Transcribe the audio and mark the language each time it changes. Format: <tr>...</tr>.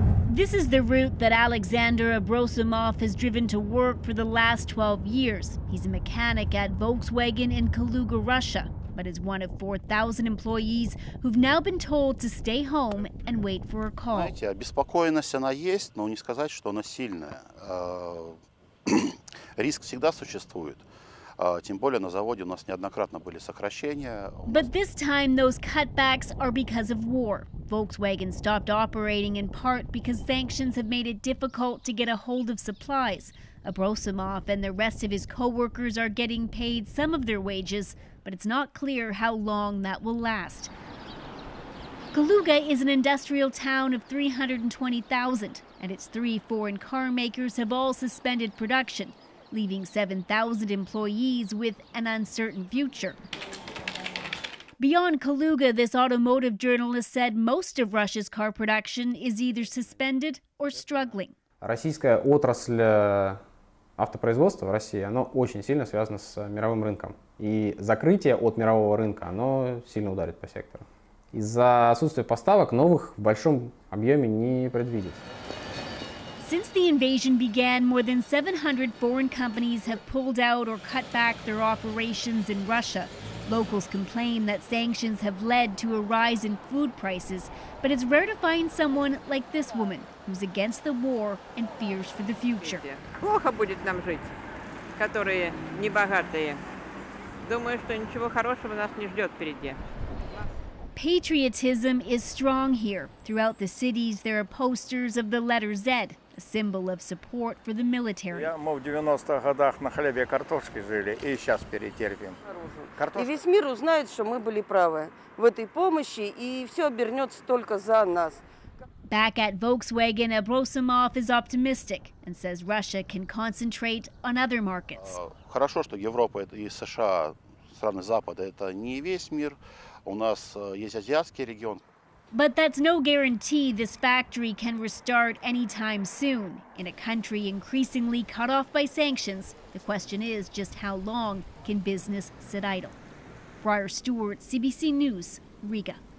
<en>This is the route that Alexander Abrosimov has driven to work for the last 12 years. He's a mechanic at Volkswagen in Kaluga, Russia, but is one of 4,000 employees who've now been told to stay home and wait for a call.</en> <ru>Знаете, обеспокоенность она есть, но не сказать, что она сильная. Риск всегда существует. Тем более на заводе у нас неоднократно были сокращения.</ru> <en>But this time those cutbacks are because of war. Volkswagen stopped operating in part because sanctions have made it difficult to get a hold of supplies. Abrosimov and the rest of his co-workers are getting paid some of their wages, but it's not clear how long that will last. Kaluga is an industrial town of 320,000, and its three foreign car makers have all suspended production, leaving 7,000 employees with an uncertain future. Beyond Kaluga, this automotive journalist said most of Russia's car production is either suspended or struggling.</en> <ru>Российская отрасль автопроизводства в России, оно очень сильно связано с мировым рынком. И закрытие от мирового рынка, оно сильно ударит по сектору. Из-за отсутствия поставок новых в большом объеме не предвидится.</ru> <en>Since the invasion began, more than 700 foreign companies have pulled out or cut back their operations in Russia. Locals complain that sanctions have led to a rise in food prices, but it's rare to find someone like this woman, who's against the war and fears for the future.</en> <ru>Плохо будет нам жить, которые не богатые. Думаю, что ничего хорошего нас не ждет впереди.</ru> <en>Patriotism is strong here. Throughout the cities, there are posters of the letter Z, a symbol of support for the military.</en> <ru>Мы в 90-х годах на хлебе и картошке жили и сейчас перетерпим. И весь мир узнает, что мы были правы в этой помощи, и все обернется только за нас.</ru> <en>Back at Volkswagen, Abrosimov is optimistic and says Russia can concentrate on other markets.</en> <ru>Хорошо, что Европа и США, страны Запада, это не весь мир. У нас есть азиатский регион.</ru> <en>But that's no guarantee this factory can restart anytime soon. In a country increasingly cut off by sanctions, the question is just how long can business sit idle? Briar Stewart, CBC News, Riga.</en>